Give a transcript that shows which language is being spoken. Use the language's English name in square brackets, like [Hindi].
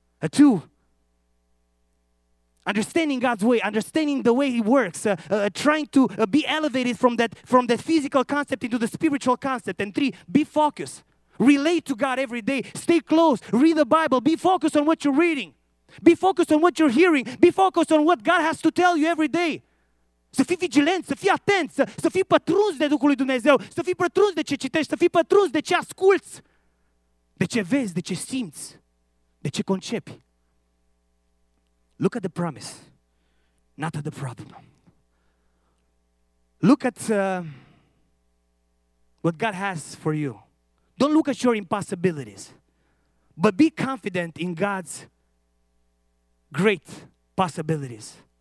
[English] Two, understanding God's way, understanding the way He works, trying to be elevated from that physical concept into the spiritual concept. And three, be focused. Relate to God every day. Stay close. Read the Bible. Be focused on what you're reading. Be focused on what you're hearing. Be focused on what God has to tell you every day. [Romanian] Să fii vigilant, să fii atent, să fii pătruns de Duhul lui Dumnezeu, să fii pătruns de ce citești, să fii pătruns de ce asculți, de ce vezi, de ce simți, de ce concepi. [English] Look at the promise, not at the problem. Look at what God has for you. Don't look at your impossibilities, but be confident in God's great possibilities.